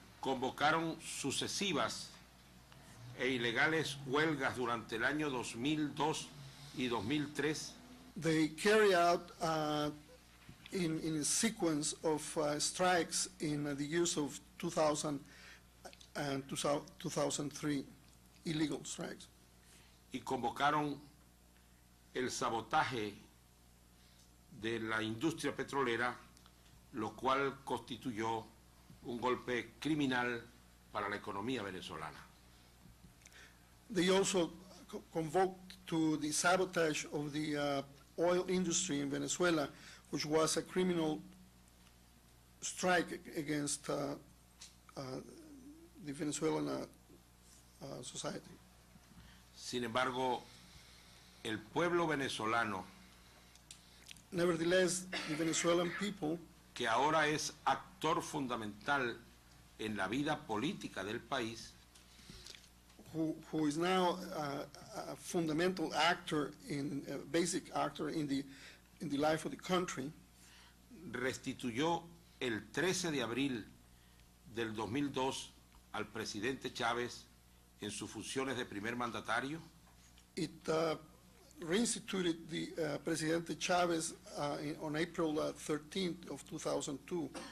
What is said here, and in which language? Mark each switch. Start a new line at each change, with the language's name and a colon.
Spanish: Convocaron sucesivas e ilegales huelgas durante el año 2002 y 2003.
English: They carry out in a sequence of strikes in the years of 2000 and 2003, illegal strikes.
Spanish: Y convocaron el sabotaje de la industria petrolera, lo cual constituyó un golpe criminal para la economía venezolana.
English: They also convoked to the sabotage of the oil industry in Venezuela, which was a criminal strike against the Venezuelan society.
Spanish: Sin embargo, el pueblo venezolano,
English: nevertheless, the Venezuelan people,
Spanish: que ahora es actor fundamental en la vida política del país,
English: who is now a fundamental actor, in a basic actor in the life of the country,
Spanish: restituyó el 13 de abril del 2002 al presidente Chávez en sus funciones de primer mandatario.
English: It reinstituted the presidente Chávez on April 13, 2002.